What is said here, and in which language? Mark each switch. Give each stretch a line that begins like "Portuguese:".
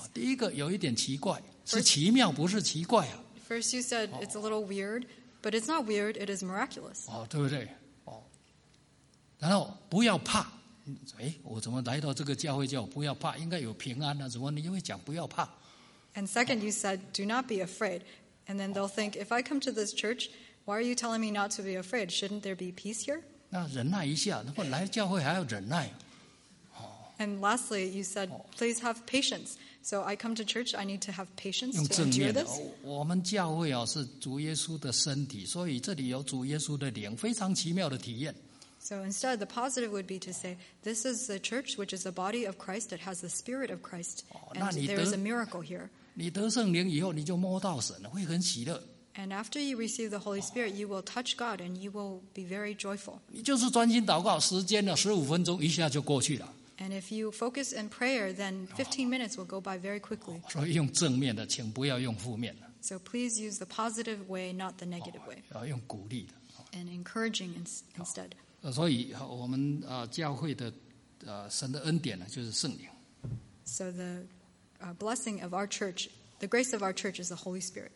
Chinese: 第一个有一点奇怪。是奇妙，不是奇怪啊。
English: First, you said it's a little weird, but it's not weird. It is miraculous.
Chinese: 对不对？然后不要怕。我怎么来到这个教会叫我不要怕？应该有平安啊，怎么你又讲不要怕
English: ？And second, you said do not be afraid. And then they'll think if I come to this church, why are you telling me not to be afraid? Shouldn't there be peace here?
Chinese: 那忍耐一下，那么来教会还要忍耐。
English: And lastly, you said please have patience. So I come to church, I need to have patience to endure this.
Chinese: 我们教会是主耶稣的身体，所以这里有主耶稣的灵，非常奇妙的体验。
English: So instead, the positive would be to say, this is the church, which is the body of Christ, that has the Spirit of Christ, and there is a miracle here.
Chinese: 你得圣灵以后，你就摸到神了，会很喜乐。
English: And after you receive the Holy Spirit, you will touch God, and you will be very joyful.
Chinese: 你就是专心祷告，时间15分钟一下就过去了。
English: And if you focus in prayer, then 15 minutes will go by very quickly.
Chinese: 所以用正面的，请不要用负面的。
English: So please use the positive way, not the negative way.
Chinese: 用鼓励的。
English: And encouraging instead.
Chinese: 所以我们教会的神的恩典就是圣灵。
English: So the blessing of our church, the grace of our church is the Holy Spirit.